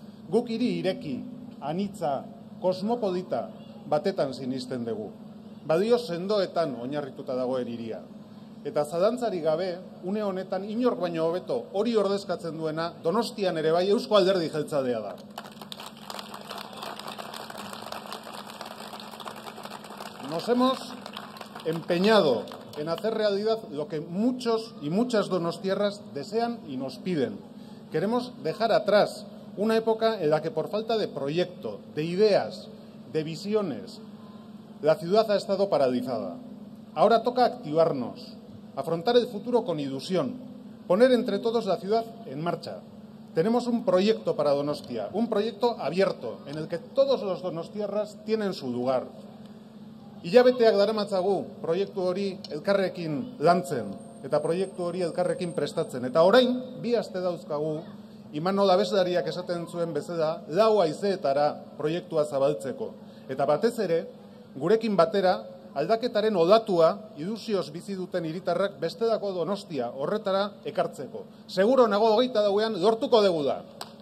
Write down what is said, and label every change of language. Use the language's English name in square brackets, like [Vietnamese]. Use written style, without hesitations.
[Basque] Guk hiri ireki, anitza, kosmopolita batetan sinisten dugu. Badio sendoetan oinarrituta dago hiria. Eta zalantzarik gabe, une honetan inork baino hobeto hori ordezkatzen duena Donostian ere bai Eusko Alderdi Jeltzalea da. [Spanish] Nos hemos empeñado en hacer realidad lo que muchos y muchas donostierras desean y nos piden. Queremos dejar atrás una época en la que por falta de proyecto, de ideas, de visiones, la ciudad ha estado paralizada. Ahora toca activarnos, afrontar el futuro con ilusión, poner entre todos la ciudad en marcha. Tenemos un proyecto para Donostia, un proyecto abierto, en el que todos los donostierras tienen su lugar. [Basque] Hilabeteak daramatzagu proiektu hori elkarrekin lantzen eta proiektu hori elkarrekin prestatzen. Eta orain, bi aste dauzkagu, Imanol Abeslariak esaten zuen bezala, lau haizeetara proiektua zabaltzeko. Eta batez ere, gurekin batera, aldaketaren olatua ilusioz bizi duten hiritarrak bestelako Donostia horretara ekartzeko. Seguro nago 24ean lortuko dugu da.